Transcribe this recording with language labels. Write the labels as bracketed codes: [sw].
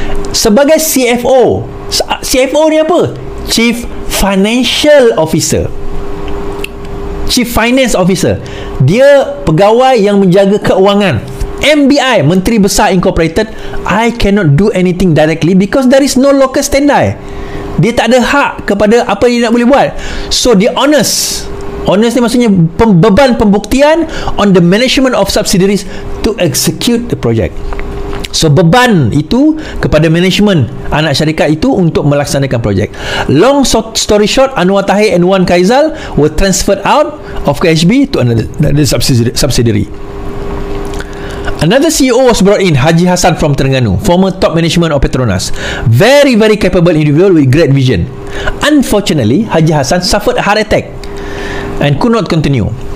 [ms] Sebagai CFO, CFO ni apa? [en] Chief Financial Officer. Chief Finance Officer. [ms] Dia pegawai yang menjaga keuangan. MBI, Menteri Besar Incorporated. [en] I cannot do anything directly because there is no local standby. [ms] Dia tak ada hak kepada apa dia nak boleh buat. So dia honest. [en] Honest [ms] ni maksudnya beban pembuktian [en] on the management of subsidiaries to execute the project. [ms] So beban itu kepada management anak syarikat itu untuk melaksanakan projek. [en] Long story short, Anwar Tahir and Wan Khaizal were transferred out of KHB to another subsidiary. Another CEO was brought in, Haji Hassan from Terengganu, former top management of Petronas. Very very capable individual with great vision. Unfortunately, Haji Hassan suffered a heart attack and could not continue.